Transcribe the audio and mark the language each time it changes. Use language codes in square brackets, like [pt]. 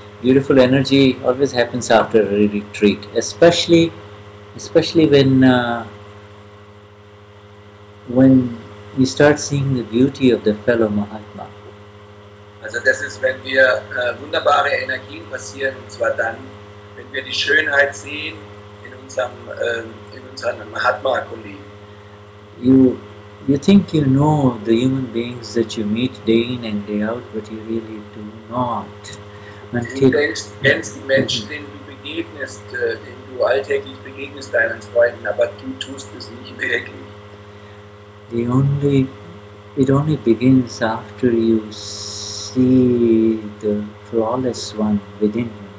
[en] Beautiful energy always happens after a retreat, especially when you start seeing the beauty of the fellow Mahatma. [de] Also das ist, wenn wir wunderbare Energien passieren, und zwar dann, wenn wir die Schönheit sehen in unserem Mahatma-Kollegen. [en] You think you know the human beings that you meet day in and day out, but you really do not. [de] Until du kennst die Menschen, denen du begegnest, denen du alltäglich begegnest, deinen Freunden, aber du tust es nicht wirklich. [en] It only begins after you see see the flawless one within him.